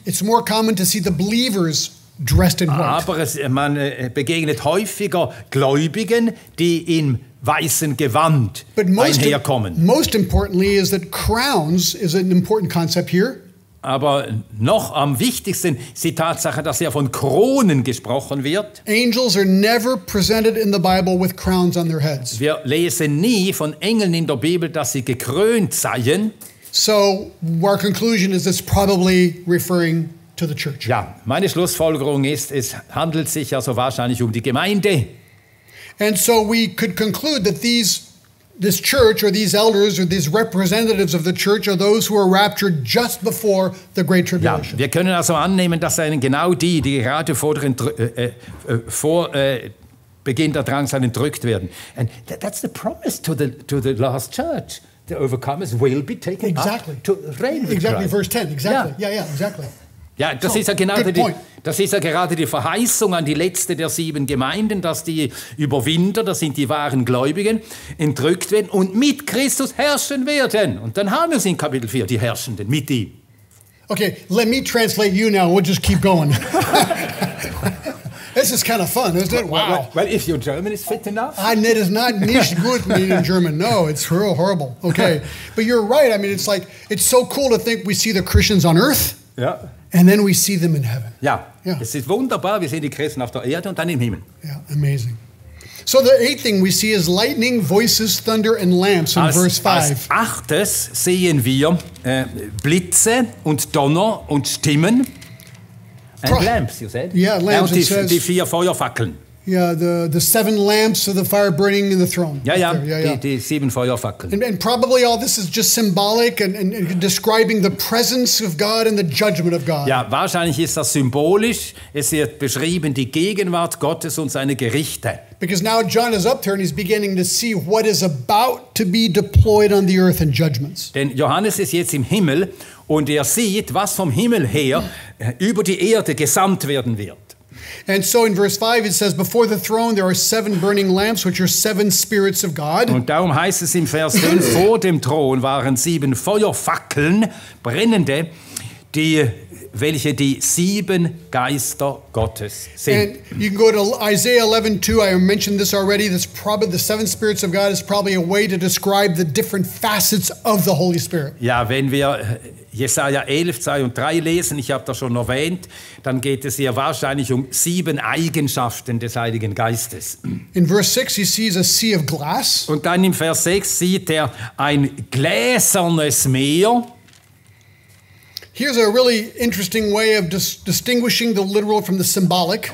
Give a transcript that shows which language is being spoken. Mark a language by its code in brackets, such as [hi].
[en] It's more common to see the believers dressed in white. [de] Aber man begegnet häufiger Gläubigen, die in weißen Gewand einherkommen. [en] Most importantly is that crowns is an important concept here. [de] Aber noch am wichtigsten ist die Tatsache, dass hier von Kronen gesprochen wird. [en] Angels are never presented in the Bible with crowns on their heads. [de] Wir lesen nie von Engeln in der Bibel, dass sie gekrönt seien. [en] So our conclusion is it's probably referring to the church. [de] Ja, meine Schlussfolgerung ist, es handelt sich also wahrscheinlich um die Gemeinde. [en] And so we could conclude that this church or these elders or these representatives of the church are those who are raptured just before the great tribulation. [de] Ja, wir können also annehmen, dass seien genau die, die gerade vor Beginn der Drangsal entrückt werden. [en] And that's the promise to the last church. The overcomers will be taken exactly. up to reign with exactly, Christ. Verse 10, exactly. Yeah, exactly. [de] Ja, das, so, ist ja genau das ist ja gerade die Verheißung an die letzte der sieben Gemeinden, dass die Überwinter, das sind die wahren Gläubigen, entrückt werden und mit Christus herrschen werden. Und dann haben wir es in Kapitel 4, die Herrschenden, mit ihm. [en] Okay, let me translate you now, we'll just keep going. This is kind of fun, isn't it? Wow. Well, if your German is fit enough. It is not [de] nicht gut [en] in German. No, it's real horrible. Okay, but you're right. I mean, it's like, it's so cool to think we see the Christians on earth. [de] Ja. [en] And then we see them in heaven. [de] Ja, es ist wunderbar, wir sehen die Christen auf der Erde und dann im Himmel. [en] Yeah, amazing. So the eighth thing we see is lightning, voices, thunder and lamps in verse 5. [de] Als achtes sehen wir Blitze und Donner und Stimmen. [en] And lamps, you said? Yeah, lamps. [de] Und die vier Feuerfackeln. [en] Yeah, the seven lamps of the fire burning in the throne. [de] Ja, die sieben Feuerfackeln. [en] And probably all this is just symbolic and describing the presence of God and the judgment of God. [de] Ja, wahrscheinlich ist das symbolisch. Es wird beschrieben die Gegenwart Gottes und seine Gerichte. [en] Because now John is up there and he's beginning to see what is about to be deployed on the earth in judgments. [de] Denn Johannes ist jetzt im Himmel und er sieht, was vom Himmel her über die Erde gesandt werden wird. [en] And so in verse 5 it says, before the throne there are seven burning lamps, which are seven spirits of God. [de] Und darum heißt es im Vers 5, vor dem Thron waren sieben Feuerfackeln, brennende, welche die sieben Geister Gottes sind. [en] And you can go to Isaiah 11:2. I mentioned this already. That's probably the seven spirits of God is probably a way to describe the different facets of the Holy Spirit. [de] Ja, wenn wir Jesaja 11, 2 und 3 lesen, ich habe das schon erwähnt, dann geht es hier wahrscheinlich um sieben Eigenschaften des Heiligen Geistes. [en] In verse 6 he sees a sea of glass. [de] Und dann im Vers 6 sieht er ein gläsernes Meer. [en] Here's a really interesting way of distinguishing the literal from the symbolic.